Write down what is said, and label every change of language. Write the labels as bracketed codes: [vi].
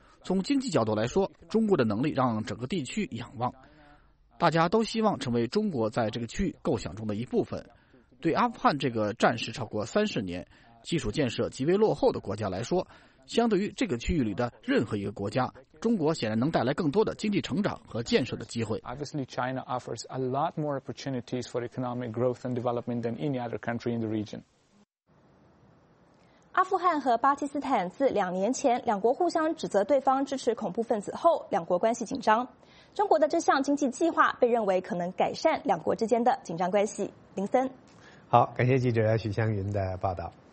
[zh] 从经济角度来说，中国的能力让整个地区仰望，大家都希望成为中国在这个区域构想中的一部分。对阿富汗这个战事超过30年，基础建设极为落后的国家来说，相对于这个区域里的任何一个国家，中国显然能带来更多的经济成长和建设的机会。 [en] Obviously, China offers a lot more opportunities for economic growth and development than any other country in the region. [zh] 阿富汗和巴基斯坦自两年前两国互相指责对方支持恐怖分子后，两国关系紧张。中国的这项经济计划被认为可能改善两国之间的紧张关系。林森，好，感谢记者许湘云的报道。